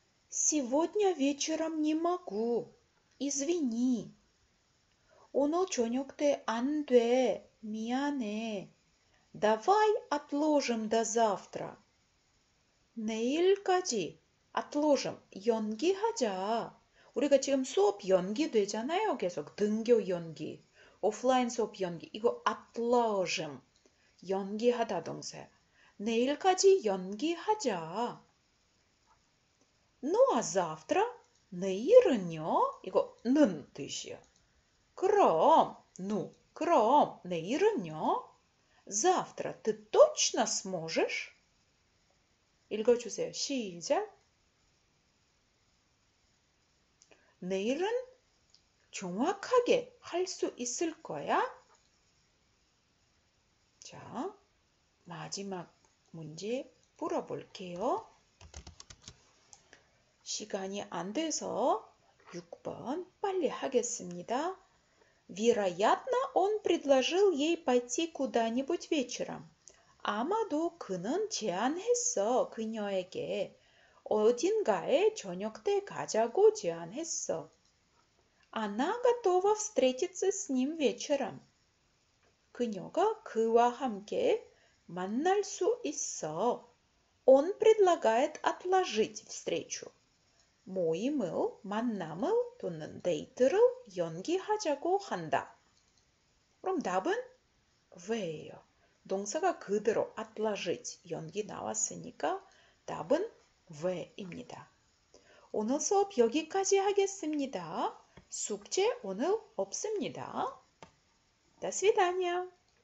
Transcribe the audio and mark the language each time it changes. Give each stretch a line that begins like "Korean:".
Russian: Сегодня вечером не могу. Извини.
Korean: 오늘 저녁 때 안 돼. 미안해.
Russian: Давай отложим до завтра.
Korean: 내일까지.
Russian: Отложим.
Korean: 연기하자. 우리가 지금 수업 연기되잖아요. 계속 등교 연기. 오프라인 수업 연기. 이거
Russian: отложим.
Korean: 연기하다 동사. 내일까지 연기하자.
Russian: Ну а завтра?
Korean: 내일은요? 이거 는 뜻이요. 그럼, 누, 그럼, 내일은요?
Russian: Завтра ты точно сможешь?
Korean: 읽어주세요. 시작. 내일은 정확하게 할 수 있을 거야? 자, 마지막 문제 풀어볼게요. 시간이 안 돼서 6번 빨리 하겠습니다.
Russian: Вероятно, он предложил ей пойти куда-нибудь вечером.
Korean: 아마도 그는 제안했어, 그녀에게. 어딘가에 저녁 때 가자고 제안했어.
Russian: Она готова встретиться с ним вечером.
Korean: 그녀가 그와 함께 만날 수 있어.
Russian: Он предлагает отложить встречу.
Korean: 모임을, 만남을 또는 데이트를 연기하자고 한다. 그럼 답은 왜예요? 동사가 그대로
Russian: отложить,
Korean: 연기 나왔으니까 답은 왜입니다. 오늘 수업 여기까지 하겠습니다. 숙제 오늘 없습니다.
Russian: До свидания!